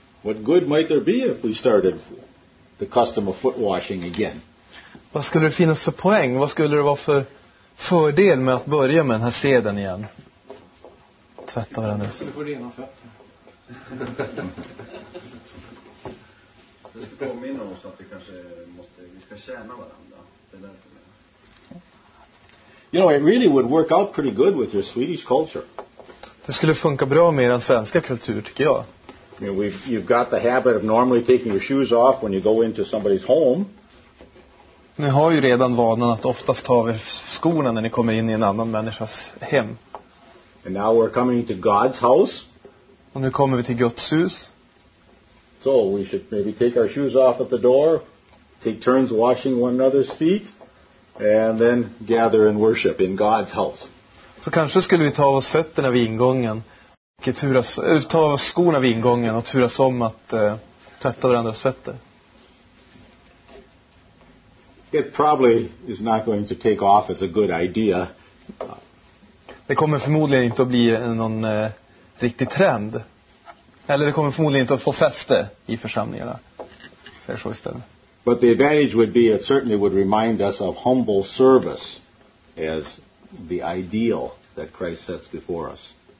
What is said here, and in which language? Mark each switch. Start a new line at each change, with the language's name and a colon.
English: What good might there be if we started the custom of foot washing again?
Swedish: Vad skulle det finnas för poäng? Vad skulle det vara för fördel med att börja med den här seden igen? Tvätta varandra. Du får rena fötter. Vi ska påminna oss att vi ska tjäna varandra. Det är därför.
English: You know, it really would work out pretty good with your Swedish culture.
Swedish: Det skulle funka bra med den svenska kultur, tycker jag.
English: You know, you've got the habit of normally taking your shoes off when you go into somebody's home.
Swedish: Ni har ju redan vanan att oftast ta av er skorna när ni kommer in i en annan människas hem.
English: And now we're coming to God's house.
Swedish: Och nu kommer vi till Guds hus.
English: So we should maybe take our shoes off at the door, take turns washing one another's feet, and then gather and worship in God's house.
Swedish: Så kanske skulle vi ta av oss fötterna vid ingången och ta av oss skorna vid ingången och turas om att tvätta varandras fötter.
English: It probably is not going to take off as a good idea.
Swedish: Det kommer förmodligen inte att bli någon riktig trend. Eller det kommer förmodligen inte att få fäste i församlingarna. Säger så istället.
English: But the advantage would be it certainly would remind us of humble service as the ideal that Christ sets before us.